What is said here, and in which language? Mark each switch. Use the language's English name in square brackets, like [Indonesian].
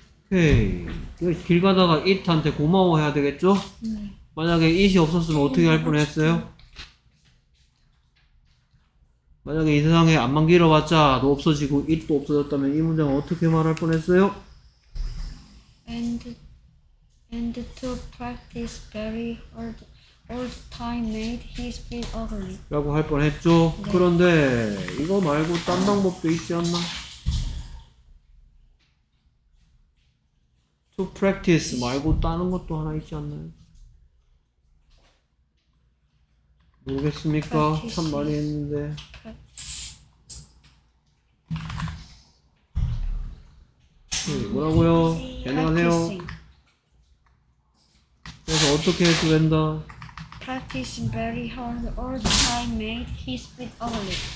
[Korean] 오케이. 길 가다가 it한테 고마워해야 되겠죠? 만약에 it이 없었으면 어떻게 할 뻔했어요? 만약에 이 세상에 앞만 길어봤자도 없어지고 it도 없어졌다면 이 문장은 어떻게 말할 뻔했어요? [English] And to practice very hard all the time made his feet ugly [Korean] 라고 할 뻔했죠? 네. 그런데 이거 말고 딴 방법도 있지 않나? To practice 말고 다른 것도 하나 있지 않나요? 모르겠습니까? 참 많이 했는데 뭐라고요? 가능하세요? 그래서 어떻게 해도 된다? [English] Practice very hard all the time made his feet ugly.